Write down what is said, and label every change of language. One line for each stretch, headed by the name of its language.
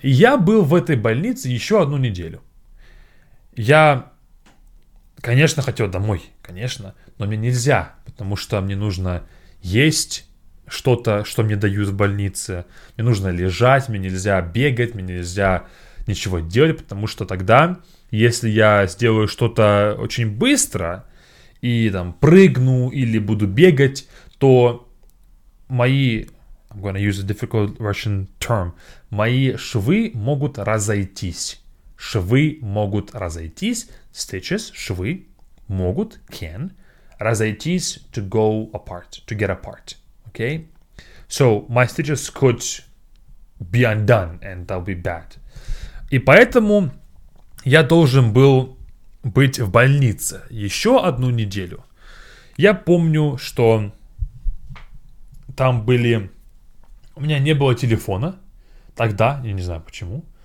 Russian: И я был в этой больнице еще одну неделю. Я, конечно, хотел домой, конечно, но мне нельзя, потому что мне нужно есть что-то, что мне дают в больнице. Мне нужно лежать, мне нельзя бегать, мне нельзя ничего делать, потому что тогда... Если я сделаю что-то очень быстро и там прыгну или буду бегать, то мои
English: I'm going to use a difficult Russian term.
Russian: Мои швы могут разойтись. Швы могут разойтись. Stitches, швы, могут, can. Разойтись,
English: to go apart, to get apart. Okay? So, my stitches could be undone, and that'll be bad.
Russian: И поэтому я должен был быть в больнице еще одну неделю. Я помню, что там были... У меня не было телефона тогда, я не знаю почему.